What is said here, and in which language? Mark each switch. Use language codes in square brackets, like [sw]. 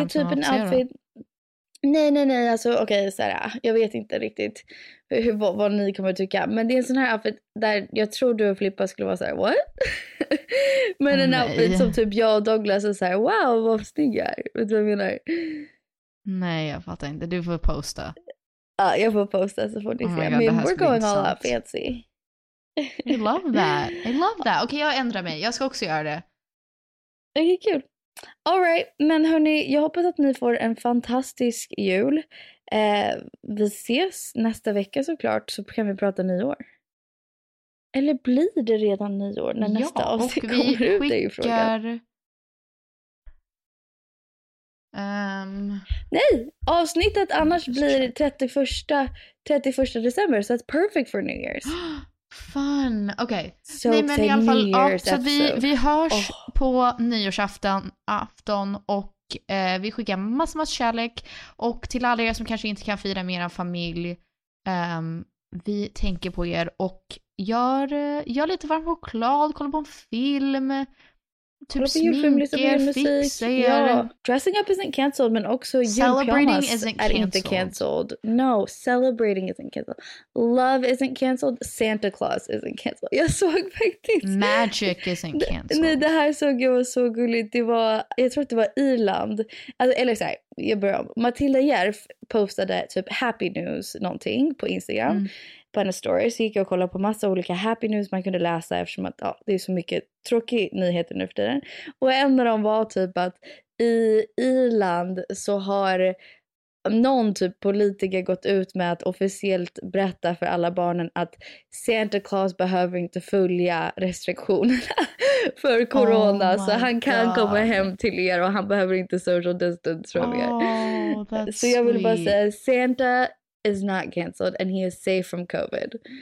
[sv] Alltså det är typ en outfit. Nej, alltså okej, okay, såhär, jag vet inte riktigt hur, vad ni kommer att tycka. Men det är en sån här outfit där jag tror du och Filippa skulle vara såhär, what? Men en outfit som typ jag och Douglas är såhär, wow, vad snygg jag är. Vet du vad jag menar? Nej, jag fattar inte. Du får posta. Ja, jag får posta så får ni se. [en] God, men we're going all out fancy. I love that. [sv] Okej, okay, jag ändrar mig. Jag ska också göra det. Okej, okay, kul. All right, men hörni, jag hoppas att ni får en fantastisk jul. Vi ses nästa vecka såklart, så kan vi prata nyår. Eller blir det redan nyår när nästa avsnitt kommer ut? Ja, och vi skickar... Nej, avsnittet annars blir 31 december, så [en] so it's perfect for New Year's. [sv] Fun, okej. [en] Okay. [sv] So nej, men i alla fall, ja, så vi hörs på nyårsafton och vi skickar massa kärlek. Och till alla er som kanske inte kan fira med er familj, vi tänker på er och gör lite varm choklad, kolla på en film, typ smink er, fixa er. Ja. [en] Dressing up isn't cancelled, [sv] men också [en] celebrating isn't cancelled. Celebrating isn't cancelled. Love isn't cancelled. Santa Claus isn't cancelled. [sv] Jag såg faktiskt... [en] Magic isn't cancelled. [sv] Nej, det här såg jag var så gulligt. Det var, jag tror att det var Irland. Eller så här, jag börjar om. Matilda Järf postade typ Happy News någonting på Instagram. På en story så gick jag och kollade på massa olika happy news man kunde läsa eftersom att det är så mycket tråkig nyheter nu för tiden. Och en av dem var typ att i Irland så har någon typ politiker gått ut med att officiellt berätta för alla barnen att Santa Claus behöver inte följa restriktionerna för corona. [en] Oh [sv] så han kan [en] God. [sv] Komma hem till er och han behöver inte social distance från er. [en] Oh, [sv] så jag vill [en] sweet. [sv] Bara säga [en] Santa is not cancelled and he is safe from COVID.